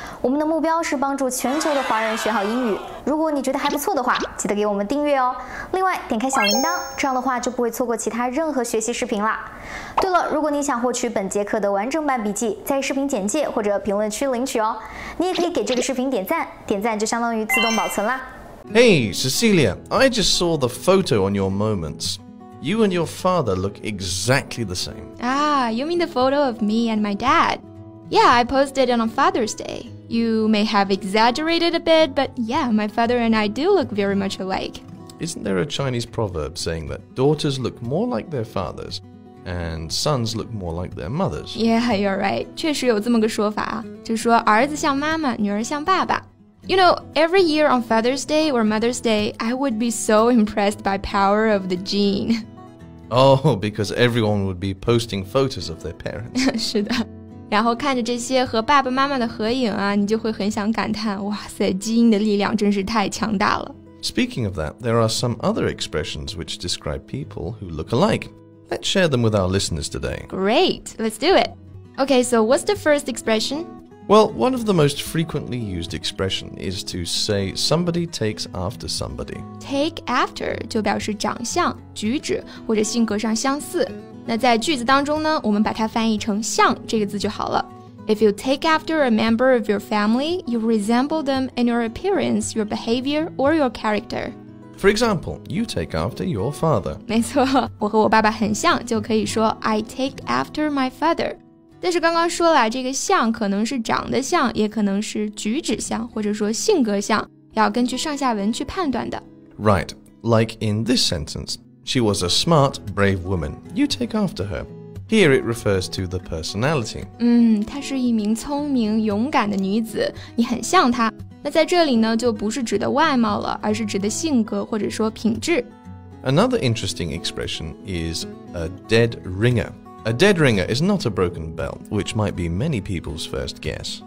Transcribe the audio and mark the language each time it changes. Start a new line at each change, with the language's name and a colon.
Chinese: 我们的目标是帮助全球的华人学好英语。如果你觉得还不错的话，记得给我们订阅哦。另外，点开小铃铛，这样的话就不会错过其他任何学习视频啦。对了，如果你想获取本节课的完整版笔记，在视频简介或者评论区领取哦。你也可以给这个视频点赞，点赞就相当于自动保存啦。
English: Hey, Cecilia, I just saw the photo on your moments. You and your father look exactly the same. Ah, you mean the photo of me and my dad? Yeah, I posted it on Father's Day. You may have exaggerated a bit, but yeah, my father and I do look very much alike. Isn't there a Chinese proverb saying that daughters look more like their fathers and sons look more like their mothers? Yeah, you're right.
Chinese: 确实有这么个说法，就说儿子像妈妈，女儿像爸爸。
English: You know, every year on Father's Day or Mother's Day, I would be so impressed by power of the gene. Oh, because everyone would be posting photos of their parents.
Chinese: 是的。然后看着这些和爸爸妈妈的合影啊，你就会很想感叹，哇塞，基因的力量真是太强大了。
English: Speaking of that, there are some other expressions which describe people who look alike. Let's share them with our listeners today. Great, let's do it. Okay, so what's the first expression? Well, one of the most frequently used expression is to say somebody takes after somebody.
Chinese: Take after 就表示长相、举止或者性格上相似。那在句子当中呢，我们把它翻译成像这个字就好了。
English: If you take after a member of your family, you resemble them in your appearance, your behavior, or your character. For example, you take after your father.
Chinese: 没错，我和我爸爸很像，就可以说
English: I take after my father.
Chinese: 但是刚刚说了，这个像可能是长得像，也可能是举止像，或者说性格像，要根据上下文去判断的。
English: Right, like in this sentence, she was a smart, brave woman. You take after her. Here it refers to the personality.
Chinese: 她是一名聪明、勇敢的女子，你很像她。那在这里呢，就不是指的外貌了，而是指的性格或者说品质。
English: Another interesting expression is a dead ringer. A dead ringer is not a broken bell, which might be many people's first guess.